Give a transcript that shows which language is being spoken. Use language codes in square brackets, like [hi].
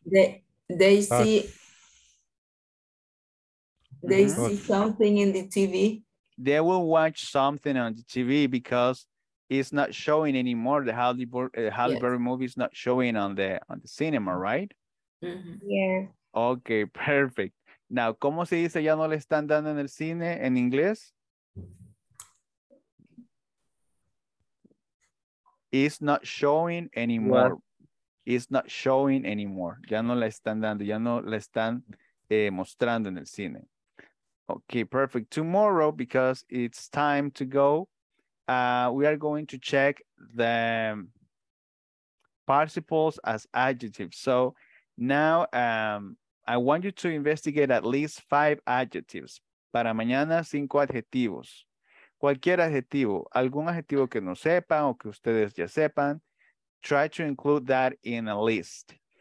[en] They see... They see something in the TV. They will watch something on the TV because it's not showing anymore. The Halle Berry movie is not showing on the cinema, right? Mm-hmm. Yeah. Okay, perfect. [es] Now, ¿cómo se dice ya no le están dando en el cine en inglés? [en] It's not showing anymore. What? It's not showing anymore. [es] Ya no le están dando, ya no le están mostrando en el cine. [en] Okay, perfect. Tomorrow, because it's time to go, we are going to check the participles as adjectives. So now I want you to investigate at least 5 adjectives. [es] Para mañana, 5 adjetivos. Cualquier adjetivo, algún adjetivo que no sepan o que ustedes ya sepan, [en] try to include that in a list.